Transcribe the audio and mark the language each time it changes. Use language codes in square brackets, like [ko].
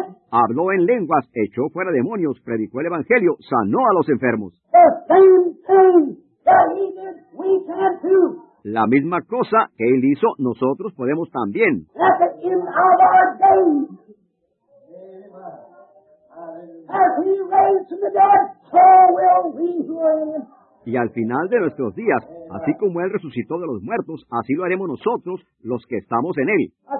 [es] Habló en lenguas, echó fuera demonios, predicó el evangelio, sanó a los enfermos. [en] The same thing that he did, we can too. [es] La misma cosa que él hizo, nosotros podemos también. [en] At the end of our days, as he raised from the dead, so will we who are in. [es] Y al final de nuestros días, así como Él resucitó de los muertos, así lo haremos nosotros, los que estamos en Él.